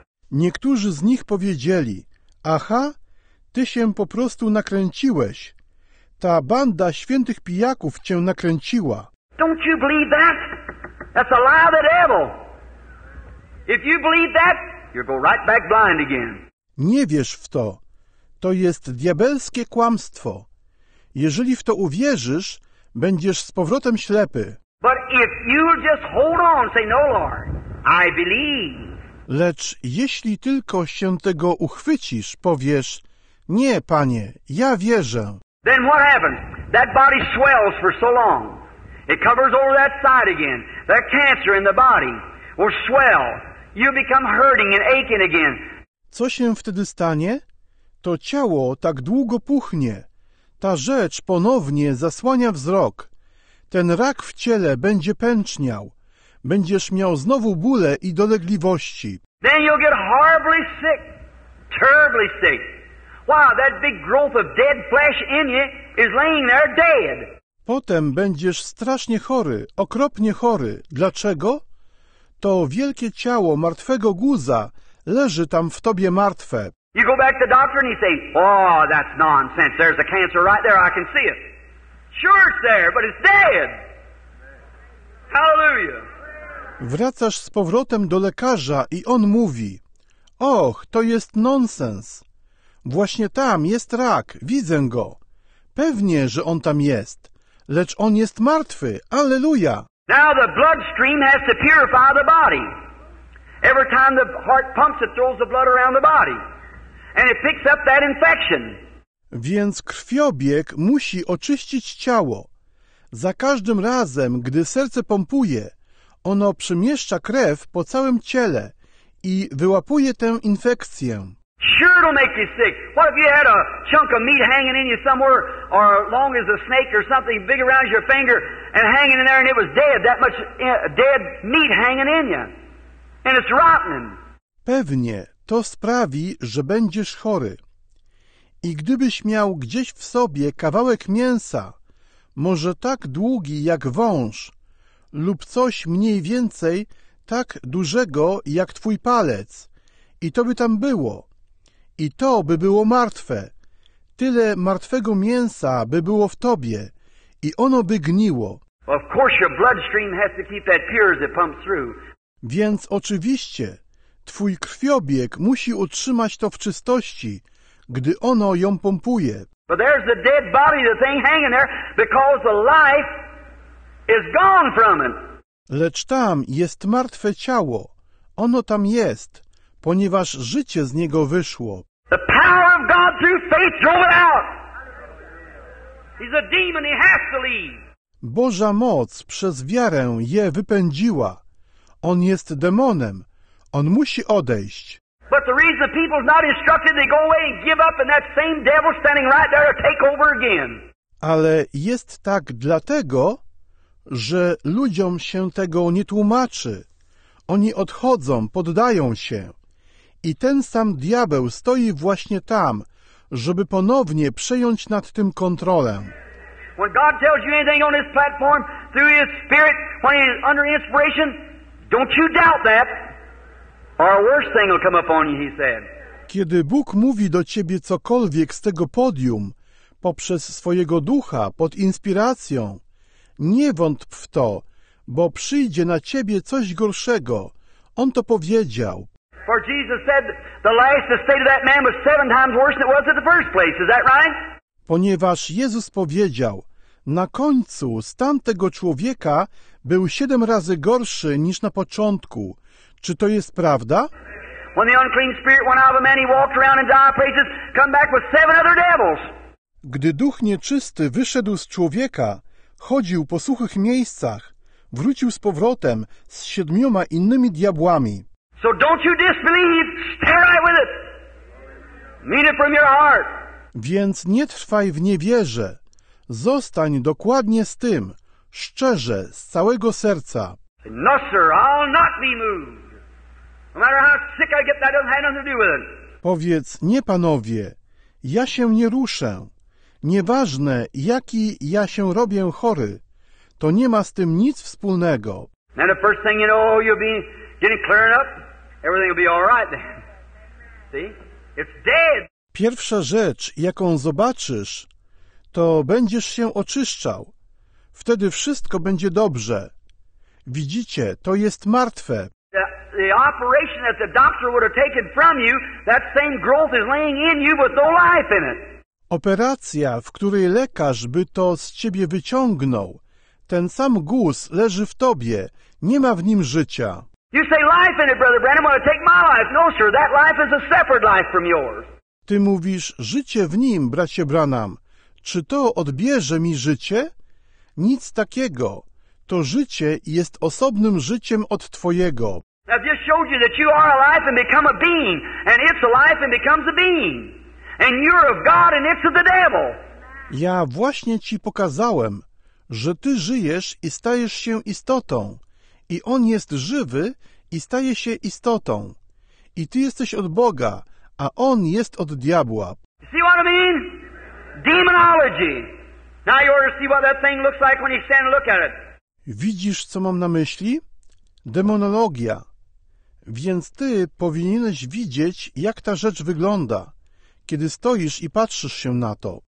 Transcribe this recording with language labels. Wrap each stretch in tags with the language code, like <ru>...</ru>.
<pl>Niektórzy z nich powiedzieli, aha, ty się po prostu nakręciłeś. Ta banda świętych pijaków cię nakręciła.</pl> <en>Don't you believe that? That's a lie of the devil. If you believe that, you'll go right back blind again.</en> <pl>Nie wierz w to. To jest diabelskie kłamstwo. Jeżeli w to uwierzysz, będziesz z powrotem ślepy.</pl> <en>But if you'll just hold on, say, no, Lord, I believe.</en> <pl>Lecz jeśli tylko się tego uchwycisz, powiesz, nie, Panie, ja wierzę.</pl> <en>Then what happens? That body swells for so long. It covers over that side again. That cancer in the body will swell. You become hurting and aching again.</en> <pl>Co się wtedy stanie? To ciało tak długo puchnie. Ta rzecz ponownie zasłania wzrok. Ten rak w ciele będzie pęczniał. Będziesz miał znowu bóle i dolegliwości.</pl> <en>Then you'll get horribly sick. Terribly sick. Wow, that big growth of dead flesh in you is laying there dead.</en> <pl>Potem będziesz strasznie chory, okropnie chory. Dlaczego? To wielkie ciało martwego guza leży tam w tobie martwe.</pl> <en>You go back to the doctor and you say, oh, that's nonsense. There's a cancer right there. I can see it. Sure it's there, but it's dead. Hallelujah.</en> <pl>Wracasz z powrotem do lekarza i on mówi, och, to jest nonsens. Właśnie tam jest rak, widzę go. Pewnie, że on tam jest, lecz on jest martwy. Alleluja.</pl> <en>Now the bloodstream has to purify the body. Every time the heart pumps, it throws the blood around the body. And it picks up that infection.</en> <pl>Więc krwiobieg musi oczyścić ciało. Za każdym razem, gdy serce pompuje, ono przemieszcza krew po całym ciele i wyłapuje tę infekcję.</pl> <en>Sure it'll make you sick. What if you had a chunk of meat hanging in you somewhere, or long as a snake or something big around your finger and hanging in there and it was dead, that much dead meat hanging in you. And it's rotten.</en> <pl>Pewnie to sprawi, że będziesz chory. I gdybyś miał gdzieś w sobie kawałek mięsa, może tak długi jak wąż, lub coś mniej więcej tak dużego jak twój palec, i to by tam było, i to by było martwe. Tyle martwego mięsa by było w tobie, i ono by gniło.</pl> <en>Of course your bloodstream has to keep that pure as it pumps through.</en> <pl>Więc oczywiście, twój krwiobieg musi utrzymać to w czystości, gdy ono ją pompuje.</pl> <en>But there's the dead body, the thing hanging there, because the life is gone from it.</en> <pl>Lecz tam jest martwe ciało. Ono tam jest, ponieważ życie z niego wyszło.</pl> <en>The power of God through faith drove it out. He's a demon, he has to leave.</en> <pl>Boża moc przez wiarę je wypędziła. on jest demonem. On musi odejść.</pl> <en>But the reason the people's not instructed, they go away and give up, and that same devil standing right there to take over again.</en> <pl>Ale jest tak dlatego, że ludziom się tego nie tłumaczy. Oni odchodzą, poddają się. I ten sam diabeł stoi właśnie tam, żeby ponownie przejąć nad tym kontrolę.</pl> <en>When God tells you anything on this platform through His Spirit, when He's under inspiration, don't you doubt that. Or a worse thing will come upon you, He said.</en> <pl>Kiedy Bóg mówi do ciebie cokolwiek z tego podium, poprzez swojego ducha, pod inspiracją, nie wątp w to, bo przyjdzie na ciebie coś gorszego. On to powiedział.</pl> <en>For Jesus said the last estate of that man was seven times worse than it was at the first place. Is that right?</en> <pl>Ponieważ Jezus powiedział, na końcu stan tego człowieka był siedem razy gorszy niż na początku. Czy to jest prawda?</pl> <en>When the unclean spirit went out of a man, he walked around in dire places, come back with seven other devils.</en> <pl>Gdy duch nieczysty wyszedł z człowieka, chodził po suchych miejscach, wrócił z powrotem z siedmioma innymi diabłami.</pl> <en>So don't you disbelieve, stay right with it. Mean it from your heart.</en> <pl>Więc nie trwaj w niewierze. Zostań dokładnie z tym, szczerze, z całego serca.</pl> <en>No, sir, I'll not be moved. No matter how sick I get, that doesn't have nothing to do with it.</en> <pl>Powiedz, nie panowie, ja się nie ruszę. Nieważne, jaki ja się robię chory, to nie ma z tym nic wspólnego.</pl> <en>Now the first thing you know, you'll be getting clear enough. Everything will be all right then. See? It's dead.</en> <pl>Pierwsza rzecz, jaką zobaczysz, to będziesz się oczyszczał. Wtedy wszystko będzie dobrze. Widzicie, to jest martwe.</pl> <en>The operation that the doctor would have taken from you, that same growth is laying in you with no life in it.</en> <pl>Operacja, w której lekarz by to z ciebie wyciągnął, ten sam guz leży w tobie, nie ma w nim życia.</pl> <en>You say life in it, Brother Branham, want to take my life. No, sir, that life is a separate life from yours.</en> <pl>Ty mówisz, życie w nim, bracie Branham. Czy to odbierze mi życie? Nic takiego. To życie jest osobnym życiem od twojego.</pl> <en>I've just showed you that you are alive and become a being. And it's alive and becomes a being. And you're of God and it's of the devil.</en> <pl>Ja właśnie ci pokazałem, że ty żyjesz i stajesz się istotą. I on jest żywy i staje się istotą. I ty jesteś od Boga. A on jest od diabła.</pl> <en>See what I mean? Demonology. Now you see what that thing looks like when you stand and look at it.</en> <pl>Widzisz, co mam na myśli? Demonologia. Więc ty powinieneś widzieć, jak ta rzecz wygląda, kiedy stoisz i patrzysz się na to.</pl>